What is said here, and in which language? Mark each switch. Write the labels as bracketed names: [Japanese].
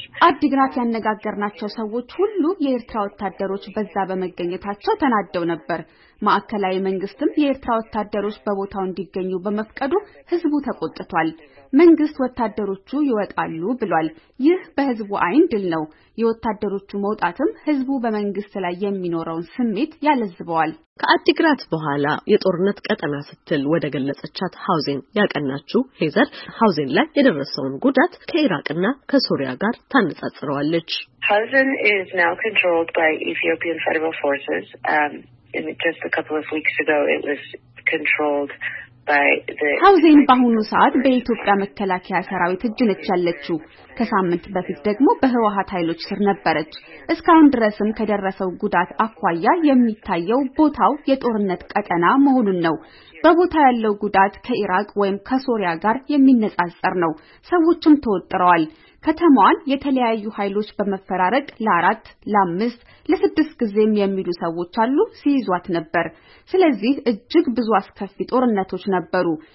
[Amharic] አዲግራት ያነጋገርናቸው ሰዎች ሁሉ የኤርትራ ወታደሮች በዛ በመገኘታቸው ተናደው ነበር። ማዕከላዊ መንግስትም የኤርትራ ወታደሮች በቦታው እንዲገኙ በመፍቀዱ ህዝቡ ተቆጥቷል። መንግስት ወታደሮቹ ይወጣሉ ብሏል። ይህ በህዝቡ አይን ድል ነው። የወታደሮቹ መውጣትም ህዝቡ በመንግስት ላይ የሚኖረውን ስሜት ያለዝበዋል። ከአዲግራት በኋላ የጦርነት ቀጠና ስትል ወደ ገለጸቻት ሃውዜን ያቀናችው ሄዘር ሃውዜን ላይ የደረሰውን ጉዳት ከኢራቅና ከሶሪያ ጋር ታነጻጽረዋለች። [English] Hauzin is now controlled by Ethiopian Federal Forces. Just a couple of weeks ago it was controlled [Amharic] ሃውዜን በአሁኑ ሰዓት በኢትዮጵያ መከላከያ ሰራዊት እጅ ነች ያለችው። ከሳምንት በፊት ደግሞ በህወሓት ኃይሎች ስር ነበረች። እስካሁን ድረስም ከደረሰው ጉዳት አኳያ የሚታየው ቦታው የጦርነት ቀጠና መሆኑን ነው። በቦታው ያለው ጉዳት ከኢራቅ ወይም ከሶሪያ ጋር የሚነጻጸር ነው። ሰዎችም ተወጥረዋል። ከተማዋን የተለያዩ ኃይሎች በመፈራረቅ ለአራት ለአምስት ለስድስት ጊዜም የሚሉ ሰዎች አሉ ሲይዟት ነበር። ስለዚህ እጅግ ብዙ አስከፊ ጦርነቶች ነበሩ።